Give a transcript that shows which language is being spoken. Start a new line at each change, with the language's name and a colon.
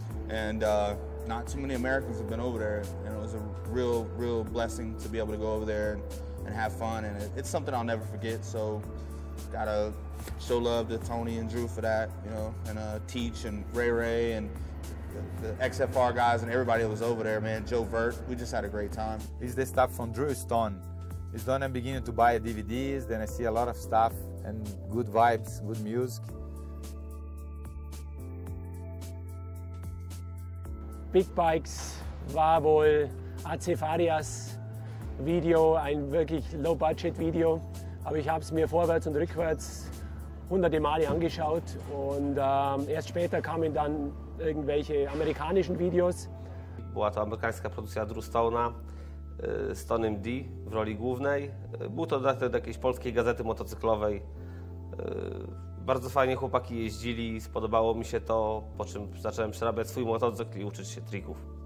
English: And not too many Americans have been over there, and it was a real, real blessing to be able to go over there and have fun, and it's something I'll never forget, so gotta show love to Tony and Drew for that, you know, and Teach and Ray Ray and the XFR guys and everybody that was over there, man, Joe Vert, we just had a great time. It's the stuff from Drew Stone. It's done, I'm beginning to buy DVDs, then I see a lot of stuff and good vibes, good music.
German: Big Bikes war wohl AC Farias Video, ein wirklich Low-Budget-Video. Aber ich habe es mir vorwärts und rückwärts hunderte Male angeschaut. Und erst später kamen dann irgendwelche amerikanischen Videos.
Polish: Była to amerykańska produkcja Drew Stone'a z Tonym D w roli głównej. Był to dodatek do jakiejś polskiej gazety motocyklowej. Bardzo fajnie chłopaki jeździli, spodobało mi się to, po czym zacząłem przerabiać swój motocykl i uczyć się trików.